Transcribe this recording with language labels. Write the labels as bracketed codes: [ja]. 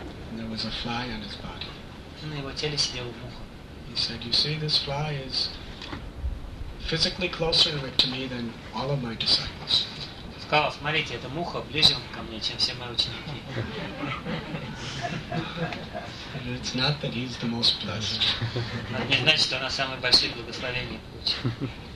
[en] And there was a fly on his body. [ru] На его теле сидела муха. [en] He said, "You see, this fly is physically closer to me than all of my disciples." [ru] Сказал, смотрите, эта муха ближе ко мне, чем все мои ученики. [en] And it's not that he's the most blessed. [ru] Не значит, что она самое большое благословение получила.